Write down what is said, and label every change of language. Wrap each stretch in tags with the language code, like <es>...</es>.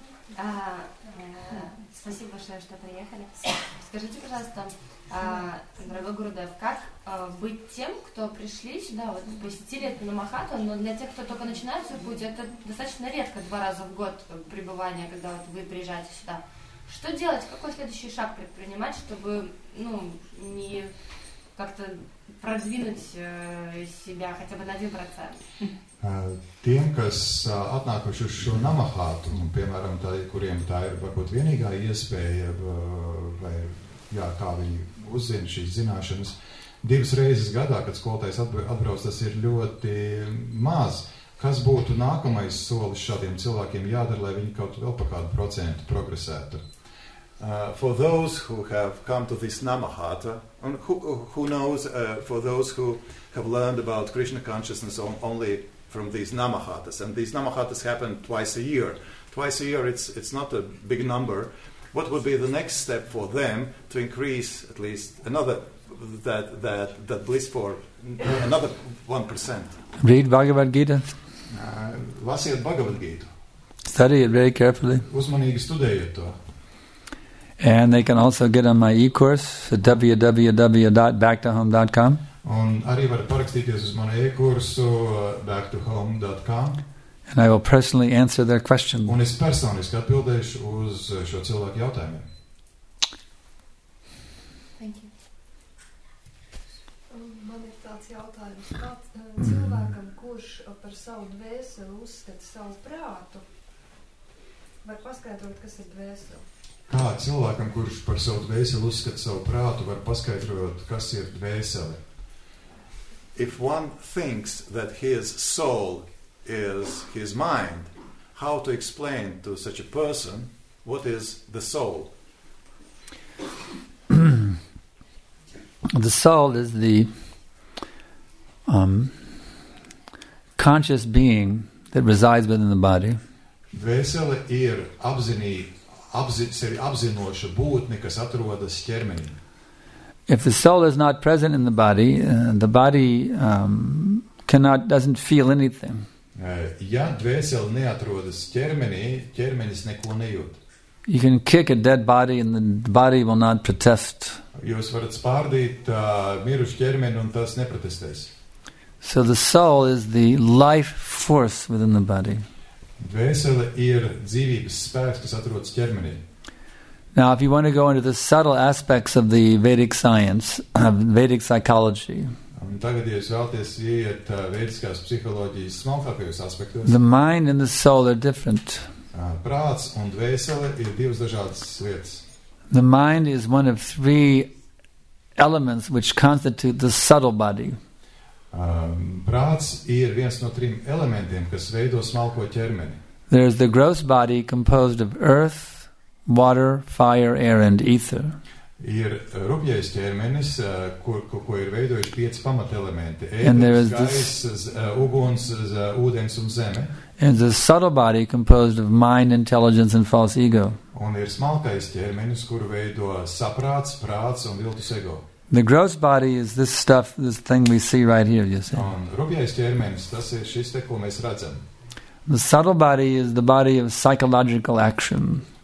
<ru>Спасибо большое, что приехали. Скажите, пожалуйста, дорогой Гурудев, как быть тем, кто пришли сюда, вот посетили это Намахату, но для тех, кто только начинает свой путь, это достаточно редко, два раза в год пребывание, когда вот, вы приезжаете сюда. Что делать? Какой следующий шаг предпринимать, чтобы ну, не как-то продвинуть себя хотя бы на 1%?</ru> <lv>Tiem, kas atnākuši uz šo Namahātu, un, piemēram, tā, kuriem tā ir varbūt vienīgā iespēja, vai jā, kā viņi uzzina šīs zināšanas, divas reizes gadā, kad skolotājs atbrauc, tas ir ļoti maz. Kas būtu nākamais solis šādiem cilvēkiem jādara, lai viņi kaut vēl pa kādu procentu progresētu?</lv> <en>For those who have come to this Namahata, and who knows, for those who have learned about Krishna consciousness only from these Namahatas, and these Namahatas happen twice a year. Twice a year, it's not a big number. What would be the next step for them to increase at least another that bliss for another 1%? Read Bhagavad Gita.</en> <lv>Lasiet Bhagavad Gita.</lv> <en>Study it very carefully.</en> <lv>Uzmanīgi studējiet to.</lv> <en>And they can also get on my e-course at www.backtohome.com.</en> <lv>Un arī var parakstīties uz manu e-kursu backtohome.com.</lv> <en>And I will personally answer their question.</en> <lv>Un es personiski atbildēšu uz šo cilvēku jautājumu.</lv> <en>Thank you.</en> <lv>Man ir tāds jautājums, kā cilvēkam, kurš par savu dvēseli uzskata savu prātu, var paskaidrot, kas ir dvēseli? Kā cilvēkam, kurš par savu dvēseli uzskata savu prātu, var paskaidrot, kas ir dvēseli?</lv> <en>If one thinks that his soul is his mind, how to explain to such a person what is the soul? The soul is the conscious being that resides within the body.</en> <lv>Dvēsele ir apzinoša būtne, kas atrodas ķermenī.</lv> <en>If the soul is not present in the body doesn't feel anything.</en> <lv>Ja dvēsele neatrodas ķermenī, ķermenis neko nejūt.</lv> <en>You can kick a dead body and the body will not protest.</en> <lv>Jūs varat spārdīt mirušu ķermeni un tas neprotestēs.</lv> <en>So the soul is the life force within the body.</en> <lv>Dvēsele ir dzīvības spēks, kas atrodas ķermenī.</lv> <en>Now, if you want to go into the subtle aspects of the Vedic science, of Vedic psychology, the mind and the soul are different.</en> <lv>Prāts un dvēsele ir divas dažādas lietas.</lv> <en>The mind is one of three elements which constitute the subtle body.</en> <lv>Prāts ir viens no trim elementiem, kas veido smalko ķermeni.</lv> <en>There is the gross body composed of earth, water, fire, air, and ether.</en> <lv>Ir rupjais ķermenis, ko ir veidojis pieci pamatelementi. Ēdens, gaiss, uguns, ūdens un zeme.</lv> <en>And the subtle body composed of mind, intelligence, and false ego.</en> <lv>Un ir smalkais ķermenis, kuru veido saprāts, prāts un viltus ego.</lv> <en>The gross body is this stuff, this thing we see right here, you see.</en> <lv>Un rupjais ķermenis, tas ir šis te, ko mēs redzam.</lv> <en>The subtle body is the body of psychological action.</en>